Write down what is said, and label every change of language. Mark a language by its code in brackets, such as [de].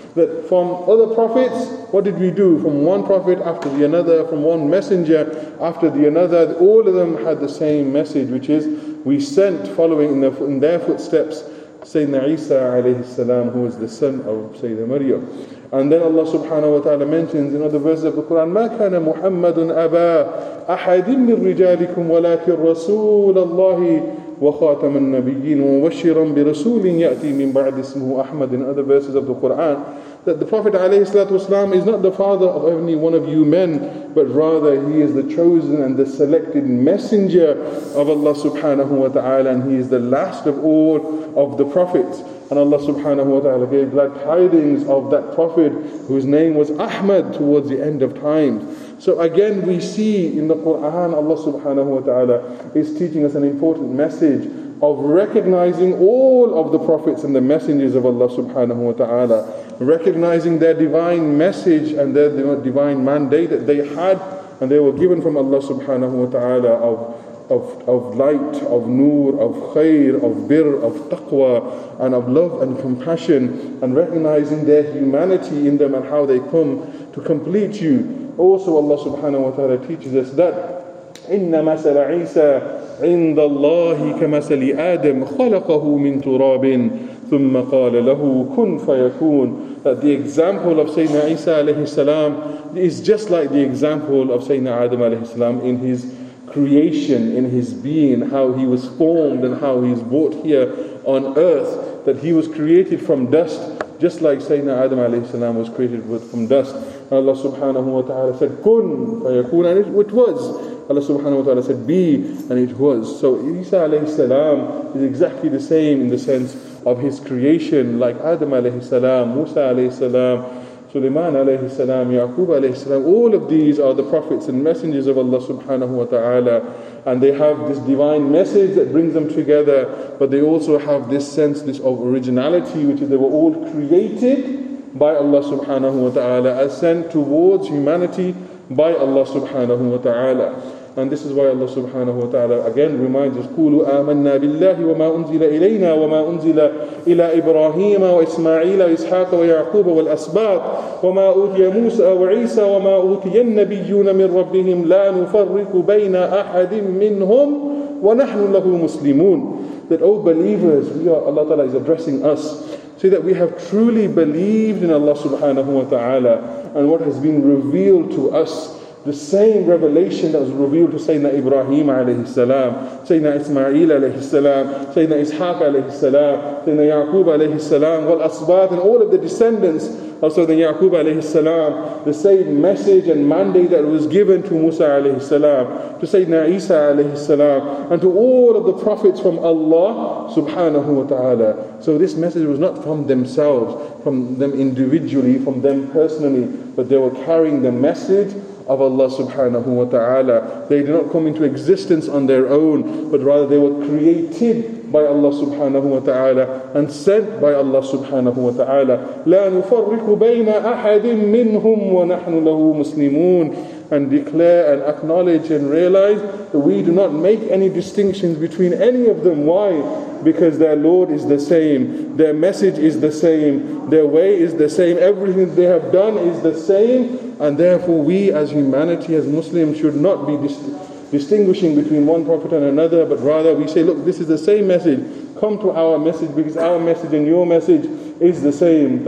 [en] That from other prophets, what did we do? From one prophet after the another, from one messenger after the another, all of them had the same message, which is we sent, following in their footsteps, Sayyidina Isa alayhi salam, who is the son of Sayyidina Maryam. And then Allah subhanahu wa ta'ala mentions in other verses of the Quran, [ar] مَا كَانَ مُحَمَّدٌ أَبَا أَحَدٍ مِّن رِجَالِكُمْ وَلَكِنْ رَسُولَ اللَّهِ وَخَاتَمَ النَّبِيِّينَ وَمُبَشِّرًا بِرَسُولٍ يَأْتِي مِن بَعْدِ اسْمُهُ أَحْمَدٍ. [en] In other verses of the Quran, that the Prophet ﷺ is not the father of any one of you men, but rather he is the chosen and the selected messenger of Allah subhanahu wa ta'ala, and he is the last of all of the prophets. And Allah subhanahu wa ta'ala gave glad tidings of that prophet whose name was Ahmad towards the end of time. So again, we see in the Quran, Allah subhanahu wa ta'ala is teaching us an important message of recognizing all of the prophets and the messengers of Allah subhanahu wa ta'ala, recognizing their divine message and their divine mandate that they had and they were given from Allah subhanahu wa ta'ala of light, of nur, of khair, of birr, of taqwa, and of love and compassion, and recognizing their humanity in them and how they come to complete you. Also Allah subhanahu wa ta'ala teaches us that [ar] إِنَّ مَسَلَ عِيسَى عِنْدَ اللَّهِ كَمَسَلِ آدَمَ خَلَقَهُ مِنْ تُرَابٍ ثُمَّ قَالَ لَهُ كُنْ فَيَكُونَ. [en] That the example of Sayyidina Isa alayhi salam is just like the example of Sayyidina Adam alayhi salam in his creation, in his being, how he was formed and how he's brought here on earth, that he was created from dust, just like Sayyidina Adam alayhi salam was created from dust. And Allah subhanahu wa ta'ala said, [ar] Kun fayakun, [en] and it was. Allah subhanahu wa ta'ala said, Be, and it was. So Isa alayhi salam is exactly the same in the sense of his creation, like Adam alayhi salam, Musa alayhi salam, Sulaiman alayhi salam, Yaqub alayhi salam. All of these are the prophets and messengers of Allah subhanahu wa ta'ala, and they have this divine message that brings them together, but they also have this sense, this of originality, which is they were all created by Allah subhanahu wa ta'ala, as sent towards humanity by Allah subhanahu wa ta'ala. And this is why Allah subhanahu wa ta'ala again reminds us, [ar] قُولُوا آمَنَّا بِاللَّهِ وَمَا أُنزِلَ إِلَيْنَا وَمَا أُنزِلَ إِلَىٰ إِبْرَاهِيمَ وَإِسْمَعِيلَ وَإِسْحَاقَ وَيَعْقُوبَ وَالْأَسْبَاطِ وَمَا أُوتِيَ مُوسَى وَعِيسَى وَمَا أُوتِيَ النَّبِيُّونَ مِنْ رَبِّهِمْ لَا نُفَرِّقُ بَيْنَ أَحَدٍ مِّنْهُمْ وَنَحْنُ لَهُ مُسْلِمُونَ. [en] That, O believers, Allah ta'ala is addressing us, say that we have truly believed in Allah subhanahu wa ta'ala and what has been revealed to us, the same revelation that was revealed to Sayyidina Ibrahim alayhi salam, Sayyidina Ismail alayhi salam, Sayyidina Ishaq alayhi salam, Sayyidina Yaqub alayhi salam, wal asbat, and all of the descendants of Sayyidina Yaqub alayhi salam, the same message and mandate that was given to Musa alayhi salam, to Sayyidina Isa alayhi salam, and to all of the prophets from Allah subhanahu wa ta'ala. So this message was not from themselves, from them individually, from them personally, but they were carrying the message of Allah subhanahu wa ta'ala. They did not come into existence on their own, but rather they were created by Allah subhanahu wa ta'ala and sent by Allah subhanahu wa ta'ala. [ar] لا نفرق بين أحد منهم ونحن له مسلمون. [en] And declare and acknowledge and realize that we do not make any distinctions between any of them. Why? Because their Lord is the same, their message is the same, their way is the same, everything they have done is the same, and therefore we as humanity, as Muslims, should not be distinguishing between one prophet and another, but rather we say, look, this is the same message, come to our message, because our message and your message is the same.